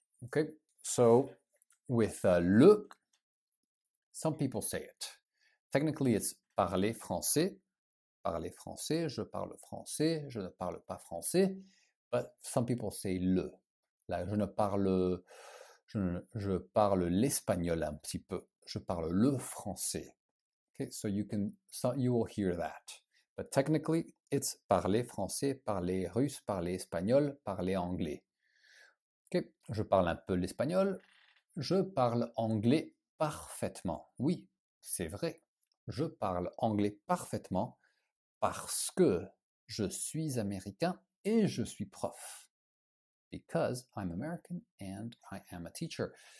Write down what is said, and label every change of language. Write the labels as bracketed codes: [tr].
[en] Okay, so with le, some people say it. Technically, it's [fr] parler français. Parler français, je parle français, je ne parle pas français. [en] But some people say le. [fr] Là, je parle l'espagnol un petit peu. Je parle le français. [en] Okay, so you will hear that. But technically, it's [fr] parler français, parler russe, parler espagnol, parler anglais. Okay, je parle un peu l'espagnol. Je parle anglais parfaitement. Oui, c'est vrai. Je parle anglais parfaitement parce que je suis américain et je suis prof. [en] Because I'm American and I am a teacher.